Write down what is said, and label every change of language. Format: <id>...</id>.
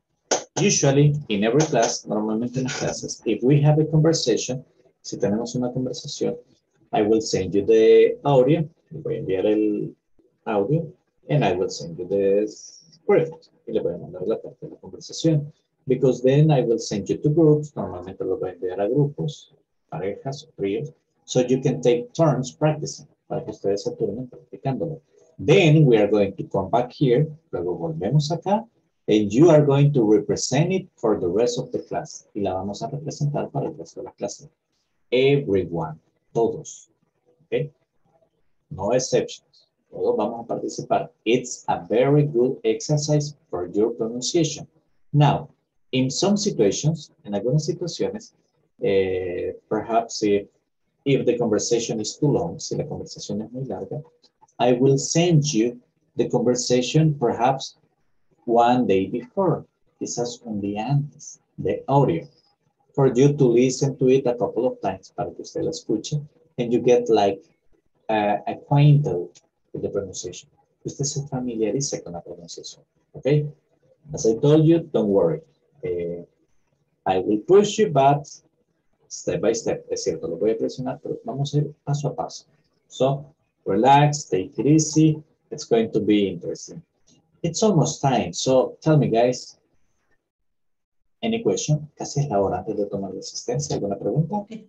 <en>Okay. Usually in every class,</en> <es>normalmente en las clases,</es> <en>if we have a conversation,</en> <es>si tenemos una conversación,</es> <en>I will send you the audio,</en> <es>voy a enviar el audio,</es> <en>and I will send you the script,</en> <es>y le voy a mandar la parte de la conversación,</es> <en>because then I will send you to groups,</en> <es>normalmente lo voy a enviar a grupos, parejas, trios,</es> <en>so you can take turns practicing,</en> <es>para que ustedes se turnen practicándolo.</es> <en>Then we are going to come back here,</en> <es>luego volvemos acá,</es> <en>and you are going to represent it for the rest of the class.</en> <es>Y la vamos a representar para el resto de la clase.</es> <en>Everyone,</en> <es>todos,</es> <en>okay? No exceptions.</en> <es>Todos vamos a participar.</es> <en>It's a very good exercise for your pronunciation. Now, in some situations,</en> <es>en algunas situaciones,</es> <en>perhaps if the conversation is too long,</en> <es>si la conversación es muy larga,</es> <en>I will send you the conversation perhaps one day before,</en> <es>quizás un día antes,</es> <en>the audio, for you to listen to it a couple of times,</en> <es>para que usted la escuche,</es> <en>and you get like acquainted with the pronunciation.</en> <es>Usted se familiarice con la pronunciación, okay?</es> <en>As I told you, don't worry. I will push you, but step by step.</en> <es>Es cierto, lo voy a presionar, pero vamos a ir paso a paso.</es> <en>So, relax, take it easy. It's going to be interesting. It's almost time. So tell me, guys, any question?</en> <es>Casi es la hora antes de tomar la asistencia. ¿Alguna pregunta?</es>